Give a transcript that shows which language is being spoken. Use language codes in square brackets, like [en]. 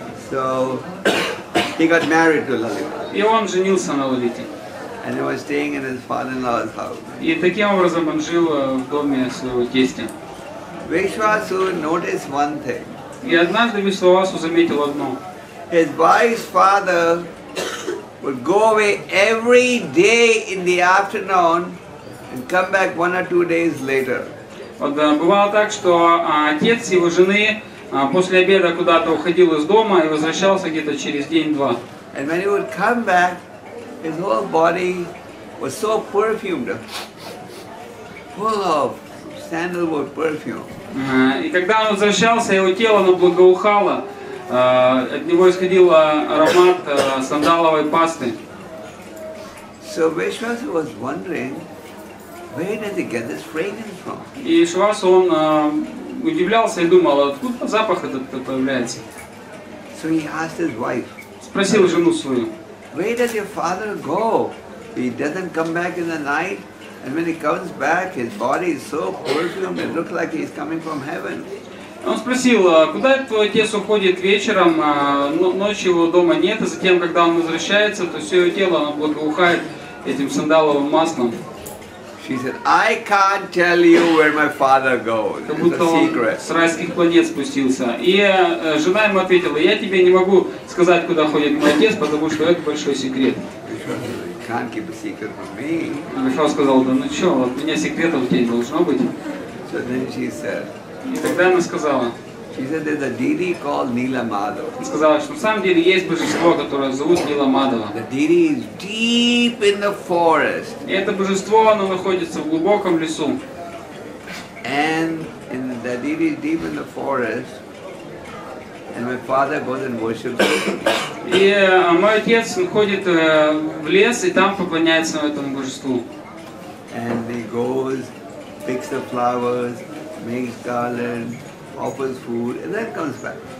[en] So he got married to Lalita. [ru] И он женился на Лалите. [en] And he was staying in his father-in-law's house. [ru] И таким образом он жил в доме своего тестя. [en] Vishwasu noticed one thing. [ru] И однажды Вишвасу заметил одно. [en] His wife's father would go away every day in the afternoon and come back one or two days later. [ru] Вот бывало так, что отец его жены после обеда куда-то уходил из дома и возвращался где-то через день-два. [en] And when he would come back, his whole body was so perfumed, full of sandalwood perfume. [ru] И когда он возвращался, его тело оно благоухало. От него исходил аромат сандаловой пасты. [en] So Vishwasu was wondering, where did he get this fragrance from? [ru] И Вишвасу он удивлялся и думал, откуда запах этот появляется. [en] So he asked his wife. [ru] Спросил жену свою. [en] Where does your father go? He doesn't come back in the night, and when he comes back, his body is so perfumed, it looks like he's coming from heaven. [ru] Он спросил, куда твой отец уходит вечером, ночью его дома нет, а затем, когда он возвращается, то все его тело оно благоухает этим сандаловым маслом. [en] She said, I can't tell you where my father goes. [ru] Как будто он с райских планет спустился. И жена ему ответила, я тебе не могу сказать, куда ходит мой отец, потому что это большой секрет. [en] Can't keep a secret from me. [ru] А Вишвасу сказал, да ну что, вот у меня секретов у тебя должно быть. [en] So then she said, [ru] и тогда она сказала, [en] she said, there's a deity called Nilamadhava. [ru] Сказала, что на самом деле есть божество, которое зовут Ниламадхава. [en] The deity is deep in the forest. [ru] И это божество, оно находится в глубоком лесу. [en] And in the deity is deep in the forest. And my father goes and worships. [ru] И мой отец ходит в лес и там поклоняется этому божеству. [en] And he goes, picks the flowers, makes garland, offers food, and then comes back.